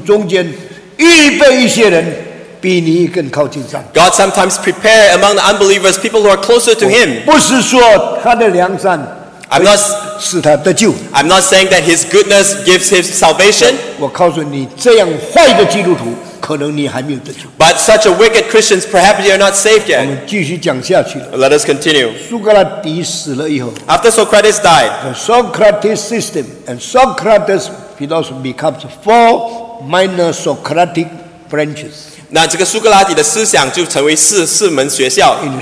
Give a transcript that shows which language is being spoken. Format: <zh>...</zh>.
<zh>上帝有时候在非基督徒中间预备一些人,</zh> <en>God sometimes prepares among the unbelievers people who are closer to Him.</en> <zh>不是说他的良善,</zh> <en>I'm not saying that his goodness gives him salvation.</en> <zh>我告诉你这样坏的基督徒,</zh> <en>but such a wicked Christians, perhaps you are not saved yet.</en> <zh>我们继续讲下去了,</zh> <en>let us continue.</en> <zh>苏格拉底死了以后,</zh> <en>after Socrates died, the Socrates system and Socrates philosophy becomes four minor Socratic branches.</en> <zh>那这个苏格拉底的思想就成为四门学校,</zh>